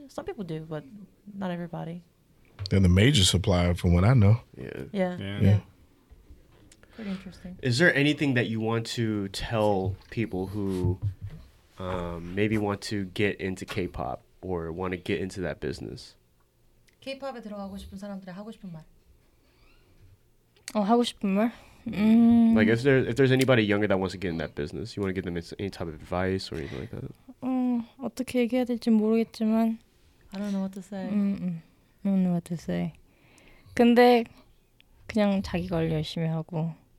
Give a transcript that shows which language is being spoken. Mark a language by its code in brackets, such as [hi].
[en] Some people do, but not everybody. They're the major supplier from what I know. Yeah. Pretty interesting. Is there anything that you want to tell people who maybe want to get into K-pop or want to get into that business? [ko] K-pop에 들어가고 싶은 사람들이 하고 싶은 말. 하고 싶은 말? [en] Like if there's anybody younger that wants to get in that business, you want to give them any type of advice or anything like that? [ko] 어떻게 얘기해야 될지 모르겠지만 [en] I don't know what to say. I don't know what to say. [ko] 근데 그냥 자기 걸 열심히 하고